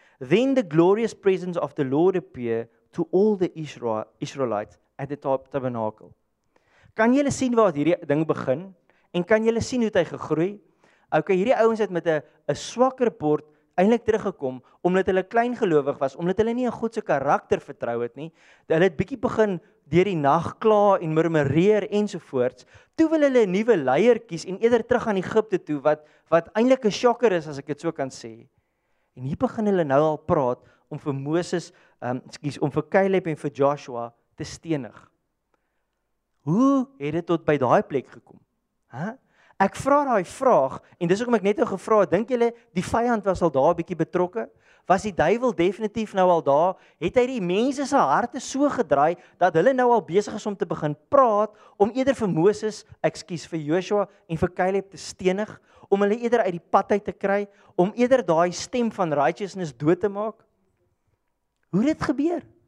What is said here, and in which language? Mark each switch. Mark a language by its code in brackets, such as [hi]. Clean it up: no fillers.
[en] Then the glorious presence of the Lord appeared to all the Israelites at the tabernacle. [af] Kan jy sien waar hierdie ding begin? En kan jy sien hoe dit gegroei? Okay, hierdie ouens het met 'n swakker bord eintlik teruggekom omdat hulle klein gelowig was, omdat hulle nie 'n God se karakter vertrou het nie. Hulle het bietjie begin deur die nag kla en murmureer ensovoorts. Toe wil hulle 'n nuwe leier kies en eerder terug aan Egipte toe wat eintlik 'n shocker is as ek dit so kan sê. En hier begin hulle nou al praat om vir Moses, om vir Caleb en vir Joshua te stenig. Hoe het dit tot by daai plek gekom? Ek vra daai vraag, en dis hoekom ek net nou gevra, dink julle die vyand was al daar 'n bietjie betrokke? Was die duiwel definitief nou al daar? Het hy die mense se harte so gedraai, dat hulle nou al besig is om te begin praat, om eerder vir Moses, vir Joshua en vir Caleb te stenig, om hulle eerder uit die pad uit te kry, om eerder daai stem van righteousness dood te maak? Hoe het dit gebeur?